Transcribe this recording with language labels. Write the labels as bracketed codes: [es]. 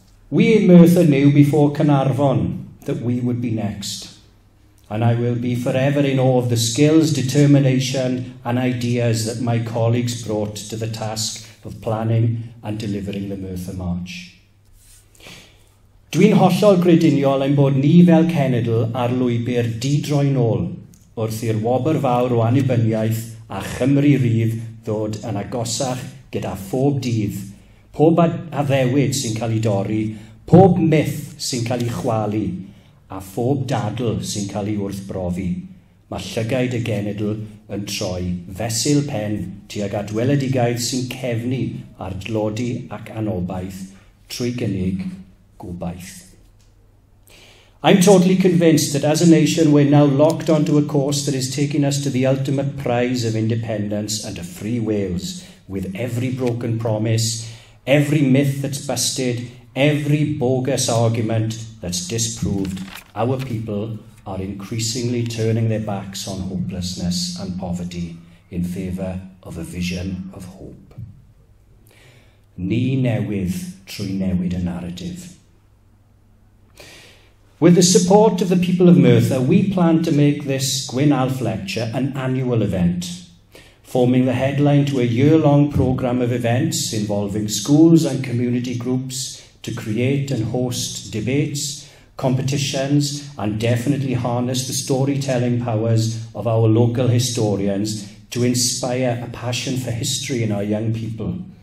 [en] We in Merthyr knew before Carnarvon that we would be next, and I will be forever in awe of the skills, determination and ideas that my colleagues brought to the task of planning and delivering the Merthyr March. [cy] Dwi'n hollol grediniol ein bod ni fel cenedl ar lwybr didroi'n ôl wrth i'r wobr fawr o annibyniaeth a Chymru Rydd ddod yn agosach gyda phob dydd, pob addewid sy'n cael ei dorri, pob myth sy'n cael ei chwalu, a phob dadl sy'n cael ei wrthbrofi. Mae llygaid y genedl yn troi fesul pen tuag at weledigaid sy'n cefnu ar dlodi ac anobaith trwy gynnig gobaith. [en] I'm totally convinced that as a nation we're now locked onto a course that is taking us to the ultimate prize of independence and a free Wales, with every broken promise, every myth that's busted, every bogus argument that's disproved, our people are increasingly turning their backs on hopelessness and poverty in favour of a vision of hope. [cy] Ni newydd trwy newid y narrative. [en] With the support of the people of Merthyr, we plan to make this Gwyn Alf lecture an annual event, forming the headline to a year-long programme of events involving schools and community groups to create and host debates, competitions, and definitely harness the storytelling powers of our local historians to inspire a passion for history in our young people.